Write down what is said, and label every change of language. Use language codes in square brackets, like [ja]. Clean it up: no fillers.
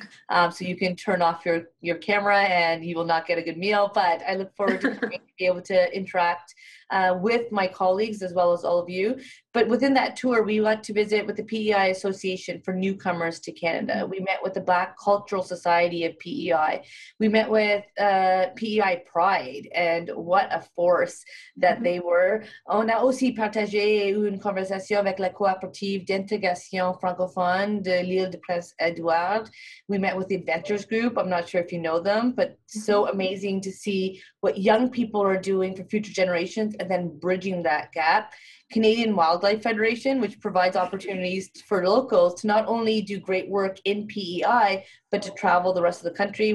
[en] So you can turn off your camera and you will not get a good meal, but I look forward to coming to be able to interact with my colleagues as well as all of you. But within that tour, we went to visit with the PEI Association for Newcomers to Canada. We met with the Black Cultural Society of PEI. We met with PEI Pride, and what a force that they were. [fr] On a aussi partagé une conversation avec la coopérative d'intégration francophone de l'île de Prince-Édouard. [en] We met with the Adventures Group. I'm not sure if you know them, but so amazing to see what young people are doing for future generations and then bridging that gap. Canadian Wildlife Federation, which provides opportunities for locals to not only do great work in PEI, but to travel the rest of the country.